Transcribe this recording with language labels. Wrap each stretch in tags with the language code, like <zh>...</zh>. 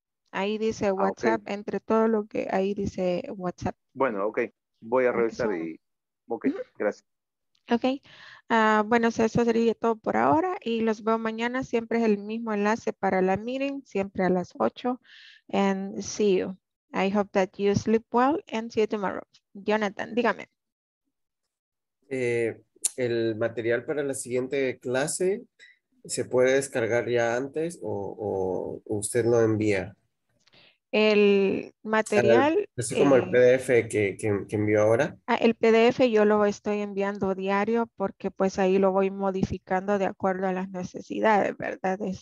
<es>Ahí dice WhatsApp, okay. Entre todo lo que ahí dice WhatsApp. Bueno, ok, voy a revisar y ok, gracias. Ok, bueno, eso sería todo por ahora y los veo mañana. Siempre es el mismo enlace para la meeting, siempre a las 8.</es> <en>And see you. I hope that you sleep well and see you tomorrow.</en> <es>Jonathan, dígame. El material para la siguiente clase se puede descargar ya antes o usted lo envía. El material es como el PDF que envió ahora. El PDF yo lo estoy enviando diario porque pues ahí lo voy modificando de acuerdo a las necesidades, ¿verdad?</es>